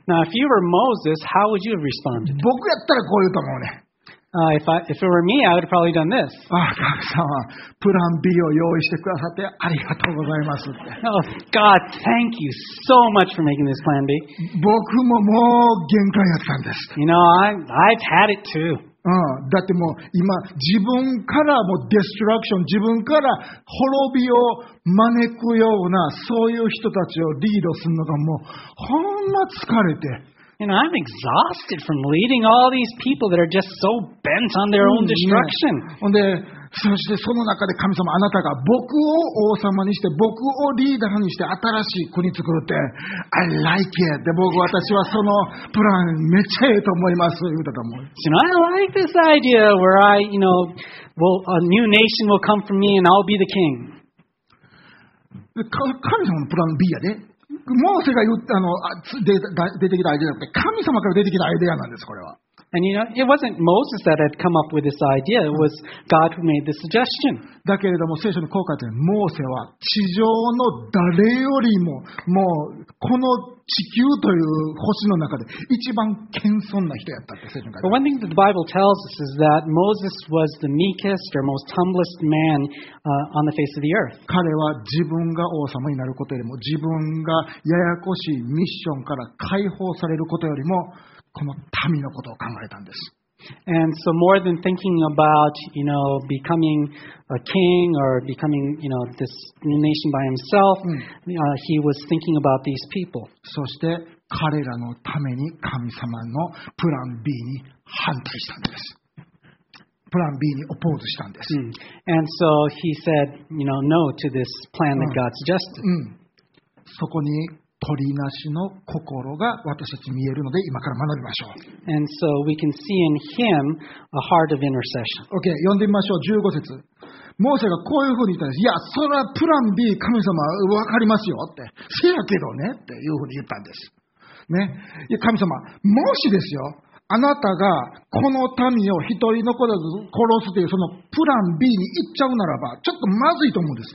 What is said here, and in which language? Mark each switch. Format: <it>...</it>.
<en>Now, if you were Moses, how would you have responded?</en> <ja>僕やったらこう言うと思うね。</ja> <en>If it were me, I would have probably done this.</en> <ja>ああ、神様、プラン B を用意してくださってありがとうございますって。</ja> <en>Oh, God, thank you so much for making this plan B.</en> <ja>僕ももう限界やったんです。</ja> <en>You know, I've had it too.</en> <ja>だってもう今、自分からもうデストラクション、自分から滅びを招くような、そういう人たちをリードするのがもう、ほんま疲れて。</ja> <en>You know, I'm exhausted from leading all these people that are just so bent on their own destruction.</en> <ja>ほんで、そしてその中で神様、あなたが僕を王様にして、僕をリーダーにして、新しい国作るって、</ja> <en>I like it.</en> <ja>で、僕、私はそのプラン、めっちゃええと思います。言うたと思う。</ja> <en>You know, I like this idea where I, you know, well, a new nation will come from me and I'll be the king.</en> <ja>神様のプラン B やで。モーセが言ったの出てきたアイデアって神様から出てきたアイデアなんですこれは。</ja> <en>And you know, it wasn't Moses that had come up with this idea. It was God who made the suggestion.</en> <ja>だけれども聖書の効果ってモーセは地上の誰よりももうこの地球という星の中で一番謙遜な人やったって聖書が。</ja> <en>But one thing that the Bible tells us is that Moses was the meekest or most humblest man, on the face of the earth.</en> <ja>彼は自分が王様になることよりも自分がややこしいミッションから解放されることよりもこの民のことを考えたんです。</ja> <en>And so more than thinking about, you know, becoming a king or becoming, you know, this nation by himself, he was thinking about these people.</en> <ja>そして彼らのために神様のプラン B に反対したんです。プラン B にオポーズしたんです。</ja> <en>And so he said, you know, no to this plan that God suggested.</en> <ja>そこに取りなしの心が私たち見えるので今から学びましょう。</ja> <en>And so we can see in him a heart of intercession.</en> <ja>Okay, 読んでみましょう。15節。モーセがこういうふうに言ったんです。いや、それはプラン B、神様わかりますよって。せやけどねっていうふうに言ったんです。ね、いや神様、もしですよ、あなたがこの民を一人残らず殺すというそのプラン B に行っちゃうならばちょっとまずいと思うんです。</ja>